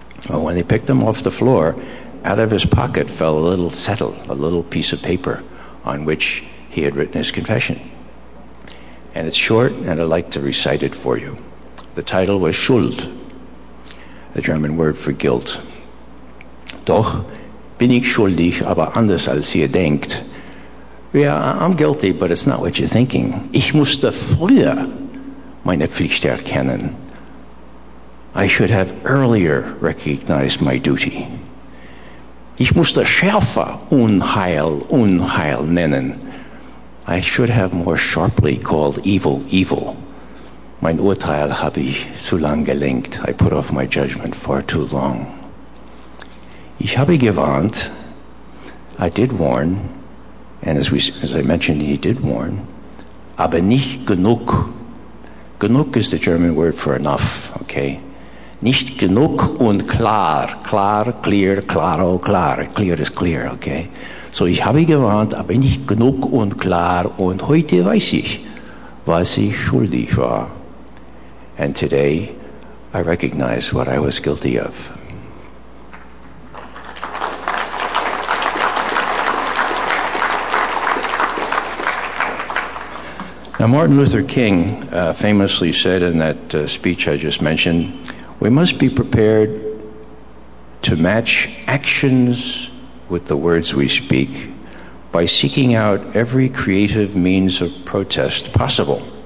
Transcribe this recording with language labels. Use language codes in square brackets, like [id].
[en] Well, when they picked him off the floor, out of his pocket fell a little zettel, a little piece of paper on which he had written his confession. And it's short, and I'd like to recite it for you. The title was Schuld, the German word for guilt. [de] Doch bin ich schuldig, aber anders als ihr denkt. [en] Yeah, I'm guilty, but it's not what you're thinking. [de] Ich musste früher meine Pflicht erkennen. [en] I should have earlier recognized my duty. [de] Ich musste schärfer Unheil nennen. [en] I should have more sharply called evil, evil. [de] Mein Urteil habe ich zu lang gelenkt. [en] I put off my judgment far too long. [de] Ich habe gewarnt. [en] I did warn. And as I mentioned, he did warn. [de] Aber nicht genug. [en] Genug is the German word for enough, okay? [de] Nicht genug und klar. Klar, clear, claro, klar. [en] Clear is clear, okay? [de] So ich habe gewarnt, aber nicht genug und klar. Und heute weiß ich, was ich schuldig war. [en] And today, I recognize what I was guilty of. Now, Martin Luther King famously said in that speech I just mentioned, we must be prepared to match actions with the words we speak by seeking out every creative means of protest possible.